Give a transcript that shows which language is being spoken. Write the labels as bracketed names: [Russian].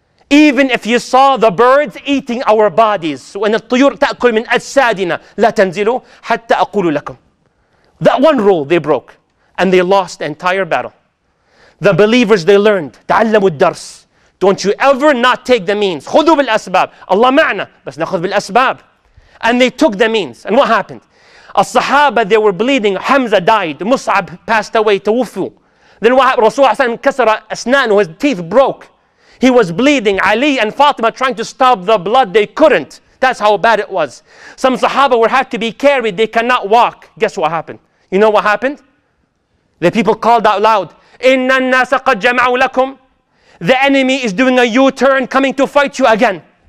[English] Even if you saw the birds eating our bodies, when [Arabic] الطيور تأكل من أجسادنا, لا تنزلوا حتى أقول لكم. [English] That one rule they broke, and they lost the entire battle. The believers, they learned, [Arabic] تعلموا الدرس. [English] Don't you ever not take the means. [Arabic] خذوا بالأسباب. الله معنا, بس نأخذ بالأسباب. [English] And they took the means. And what happened? الصحابة, they were bleeding. Hamza died. Mus'ab passed away. [Arabic] توفوا. [English] Then what happened? [Arabic] رسول الله صلى الله عليه وسلم كسر أسنانه. [English] His teeth broke. He was bleeding. Ali and Fatima trying to stop the blood. They couldn't. That's how bad it was. Some Sahaba were had to be carried. They cannot walk. Guess what happened? You know what happened? The people called out loud. [Arabic] إِنَّ النَّاسَ قَدْ جَمَعُوا لَكُمْ. [English] The enemy is doing a U-turn, coming to fight you again.